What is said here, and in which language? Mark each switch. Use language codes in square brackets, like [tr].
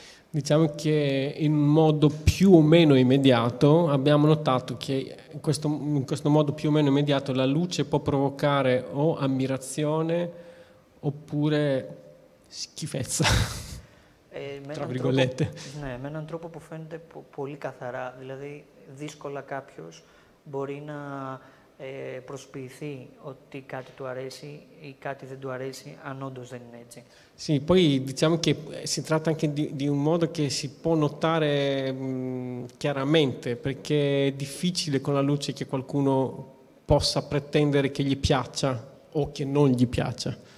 [it] Diciamo che in modo più o meno immediato abbiamo notato che in questo modo più o meno immediato la luce può provocare o ammirazione oppure schifezza. Tra virgolette. [el] Ναι, με έναν τρόπο που φαίνεται πολύ καθαρά, δηλαδή δύσκολα κάποιος μπορεί να προσποιηθεί ότι κάτι του αρέσει ή κάτι δεν του αρέσει, αν όντως δεν είναι έτσι. [it] Sì, poi diciamo che si tratta anche di un modo che si può notare chiaramente, perché è difficile con la luce che qualcuno possa pretendere che gli piaccia o che non gli piaccia.